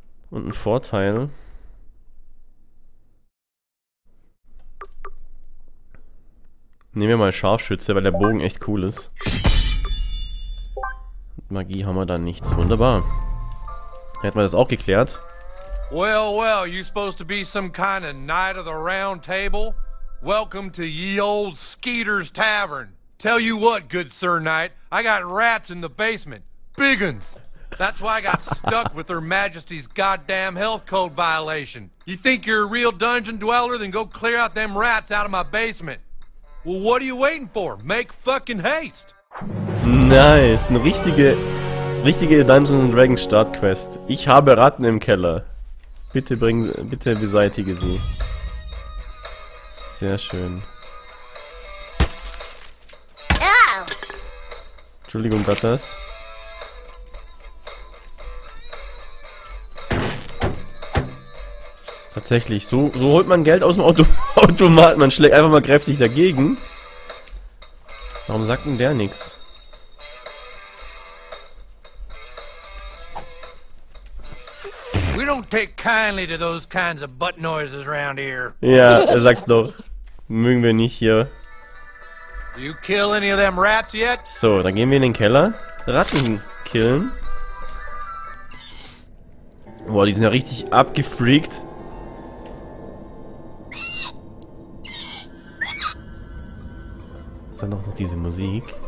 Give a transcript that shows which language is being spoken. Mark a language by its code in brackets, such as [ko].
[de] Und ein Vorteil. Nehmen wir mal Scharfschütze, weil der Bogen echt cool ist. Magie haben wir da nichts. Wunderbar. Hätten wir das auch geklärt. [en] Well, well, you're supposed to be some kind of Knight of the Round Table? Welcome to ye old Skeeter's Tavern. Tell you what, good Sir Knight, I got rats in the basement. Biggins. That's why I got stuck with Her Majesty's goddamn health code violation. You think you're a real dungeon dweller? Then go clear out them rats out of my basement. Well, what are you waiting for? Make fucking haste. [de] Nice, eine richtige Dungeons & Dragons Startquest. Ich habe Ratten im Keller. Bitte beseitige sie. Sehr schön. Entschuldigung, Gattas. Tatsächlich, so holt man Geld aus dem Automat. Man schlägt einfach mal kräftig dagegen. Warum sagt denn der nichts? [en] We don't take kindly to those kinds of butt noises around here. [de] Ja, er sagt's doch. Mögen wir nicht hier. [en] You kill any of them rats yet? [de] So, dann gehen wir in den Keller. Ratten killen. Boah, die sind ja richtig abgefreakt. Ist da noch diese Musik?